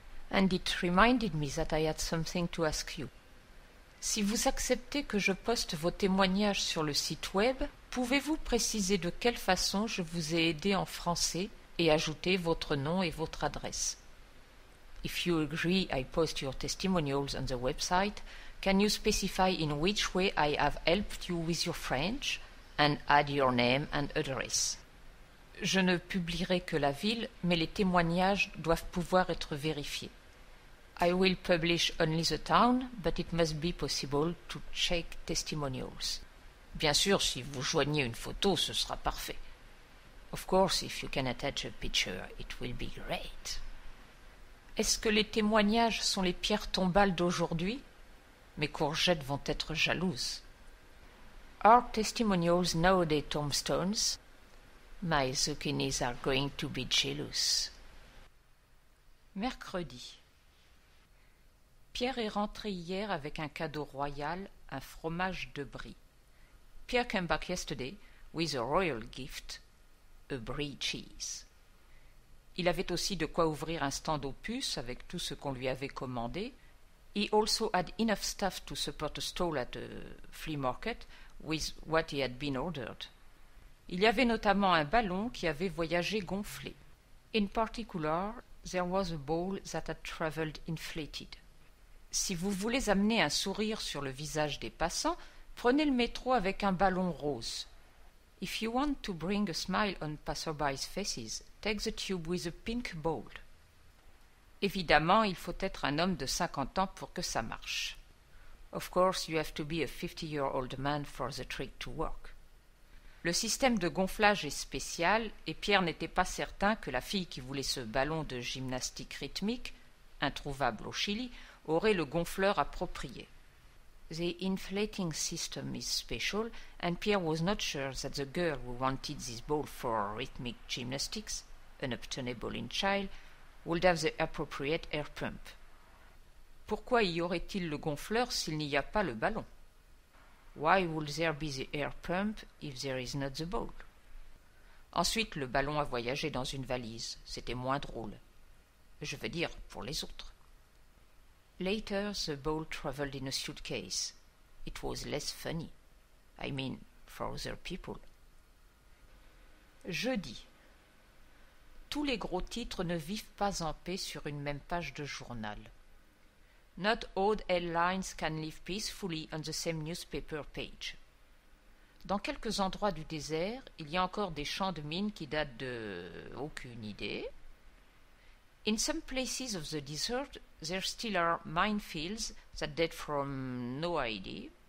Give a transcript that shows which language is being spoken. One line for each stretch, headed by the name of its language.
English: And it reminded me that I had something to ask you.
French: Si vous acceptez que je poste vos témoignages sur le site web, pouvez-vous préciser de quelle façon je vous ai aidé en français et ajouter votre nom et votre adresse?
English: If you agree I post your testimonials on the website, can you specify in which way I have helped you with your French and add your name and address?
French: Je ne publierai que la ville, mais les témoignages doivent pouvoir être vérifiés.
English: I will publish only the town, but it must be possible to check testimonials.
French: Bien sûr, si vous joignez une photo, ce sera parfait.
English: Of course, if you can attach a picture, it will be great.
French: Est-ce que les témoignages sont les pierres tombales d'aujourd'hui? Mes courgettes vont être jalouses.
English: Are testimonials nowadays tombstones? My zucchinis are going to be jealous.
French: Mercredi. Pierre est rentré hier avec un cadeau royal, un fromage de brie.
English: Pierre came back yesterday with a royal gift, a brie cheese.
French: Il avait aussi de quoi ouvrir un stand opus avec tout ce qu'on lui avait commandé.
English: He also had enough stuff to support a stall at a flea market with what he had been ordered.
French: Il y avait notamment un ballon qui avait voyagé gonflé.
English: In particular, there was a ball that had travelled inflated.
French: Si vous voulez amener un sourire sur le visage des passants, prenez le métro avec un ballon rose.
English: If you want to bring a smile on passerby's faces, take the tube with a pink bowl.
French: Évidemment, il faut être un homme de 50 ans pour que ça marche.
English: Of course, you have to be a 50-year-old man for the trick to work.
French: Le système de gonflage est spécial et Pierre n'était pas certain que la fille qui voulait ce ballon de gymnastique rythmique, introuvable au Chili, aurait le gonfleur approprié.
English: The inflating system is special, and Pierre was not sure that the girl who wanted this ball for rhythmic gymnastics, an obtainable in child, would have the appropriate air pump.
French: Pourquoi y aurait-il le gonfleur s'il n'y a pas le ballon?
English: Why would there be the air pump if there is not the ball?
French: Ensuite, le ballon a voyagé dans une valise. C'était moins drôle. Je veux dire, pour les autres.
English: Later, the ball travelled in a suitcase. It was less funny. I mean, for other people.
French: Jeudi. Tous les gros titres ne vivent pas en paix sur une même page de journal.
English: Not all headlines can live peacefully on the same newspaper page.
French: Dans quelques endroits du désert, il y a encore des champs de mines qui datent de... aucune idée.
English: In some places of the desert, there still are minefields that date from no idea.